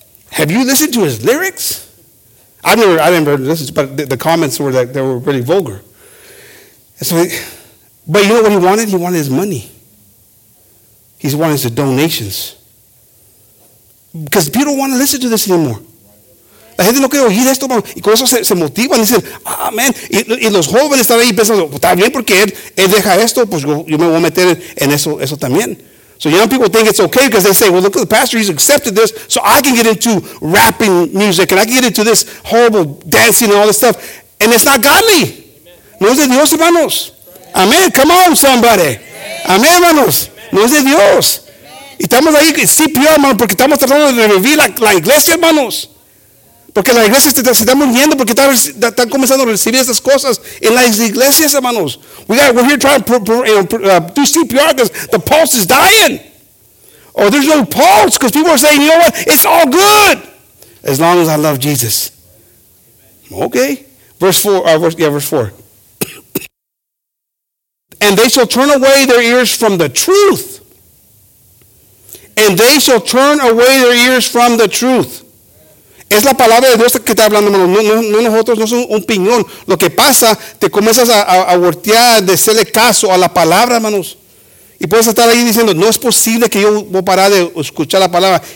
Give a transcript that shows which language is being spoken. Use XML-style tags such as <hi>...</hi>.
<en>Have you listened to his lyrics? I never listened, but the comments were that they were really vulgar. And so, but you know what he wanted? He wanted his money. He wanted the donations. Because people don't want to listen to this anymore.</en> <es>La gente no quiere oír esto, y con eso se motivan, dicen, amén. Y los jóvenes están ahí pensando, está bien porque él deja esto, pues yo me voy a meter en eso también.</es> <en>So young people think it's okay because they say, well, look at the pastor, he's accepted this, so I can get into rapping music and I can get into this horrible dancing and all this stuff. And it's not godly.</en> <es>No es de Dios, hermanos.</es> <en>Amen. Come on, somebody.</en> <es>Amen, hermanos. No es de Dios. Y estamos ahí en CPR, hermanos, porque estamos tratando de revivir la iglesia, hermanos. Porque la iglesia se está muriendo porque están comenzando a recibir estas cosas en las iglesias, hermanos.</es> <en>We're here trying to do CPR because the pulse is dying. Or there's no pulse because people are saying, you know what? It's all good as long as I love Jesus. Okay. Verse 4. And they shall turn away their ears from the truth. And they shall turn away their ears from the truth.</en> <es>Es la palabra de Dios que está hablando, hermano. No nosotros, no es un piñón. Lo que pasa, te comienzas a voltear, de hacerle caso a la palabra, hermanos. Y puedes estar ahí diciendo, no es posible que yo voy a parar de escuchar la palabra.</es>